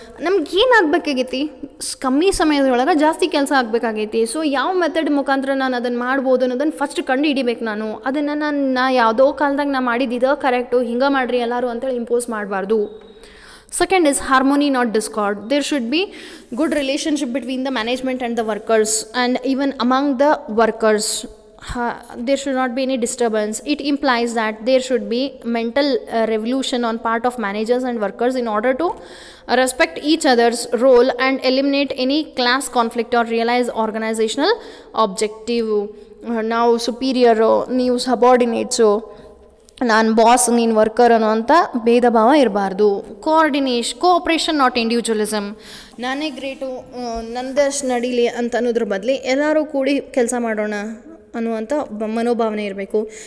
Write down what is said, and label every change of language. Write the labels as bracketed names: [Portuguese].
[Kannada] ನಮ್ಗೆ ಏನಾಗಬೇಕಾಗೈತಿ, ಕಮ್ಮಿ ಸಮಯದೊಳಗೆ ಜಾಸ್ತಿ ಕೆಲಸ ಆಗಬೇಕಾಗೈತಿ. ಸೊ ಯಾವ ಮೆಥಡ್ ಮುಖಾಂತರ ನಾನು ಅದನ್ನು ಮಾಡ್ಬೋದು ಅನ್ನೋದನ್ನು ಫಸ್ಟ್ ಕಂಡುಹಿಡಿಬೇಕು. ನಾನು ಅದನ್ನು ನಾ ಯಾವುದೋ ಕಾಲದಾಗ ನಾ ಮಾಡಿದ್ದು ಇದೋ ಕರೆಕ್ಟು ಹಿಂಗೆ ಮಾಡಿರಿ ಎಲ್ಲರೂ ಅಂತೇಳಿ ಇಂಪೋಸ್ ಮಾಡಬಾರ್ದು. [English] Second is harmony, not discord. There should be good relationship between the management and the workers and even among the workers. There should not be any disturbance. It implies that there should be mental revolution on part of managers and workers in order to respect each other's role and eliminate any class conflict or realize organizational objective. Now superior, new subordinates. [Kannada] So, ನಾನು boss ನೀನು worker ಅನ್ನೋಂಥ ಭೇದ ಭಾವ ಇರಬಾರ್ದು. [English] Cooperation not individualism. [Kannada] ನಾನೇ great ನಂದಷ್ಟು ನಡೀಲಿ ಅಂತ ಅನ್ನೋದ್ರ ಬದಲಿ ಎಲ್ಲರೂ ಕೂಡಿ ಕೆಲಸ ಮಾಡೋಣ ಅನ್ನುವಂಥ ಮನೋಭಾವನೆ ಇರಬೇಕು.